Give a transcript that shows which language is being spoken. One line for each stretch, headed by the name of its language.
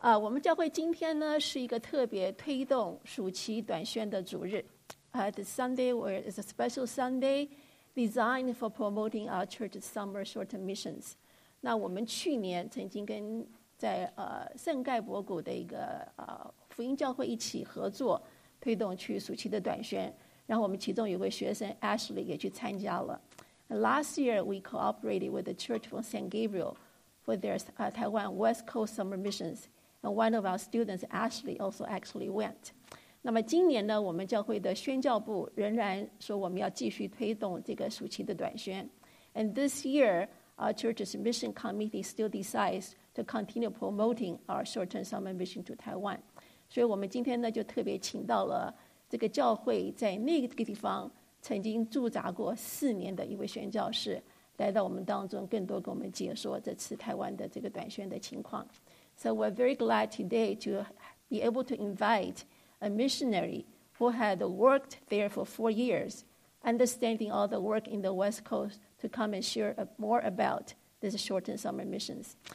Chinese: 我们教会今天呢是一个特别推动暑期短宣的主日。
English: The Sunday is a special Sunday designed for promoting our church's summer short missions.
Chinese: 那我们去年曾经跟在圣盖博谷的一个福音教会一起合作，推动去暑期的短宣。然后我们其中有位学生 Ashley 也去参加了。
English: Last year we cooperated with the church from San Gabriel for their Taiwan West Coast summer missions. And one of our students, Ashley, also actually went.
Chinese: 那么今年呢，我们教会的宣教部仍然说我们要继续推动这个暑期的短宣。
English: And this year, our church's mission committee still decides to continue promoting our short-term summer mission to Taiwan.
Chinese: 所以我们今天呢，就特别请到了这个教会在那个地方曾经驻扎过四年的一位宣教士，来到我们当中，更多给我们解说这次台湾的这个短宣的情况。
English: So we're very glad today to be able to invite a missionary who had worked there for 4 years, understanding all the work in the West Coast, to come and share more about this shortened summer missions.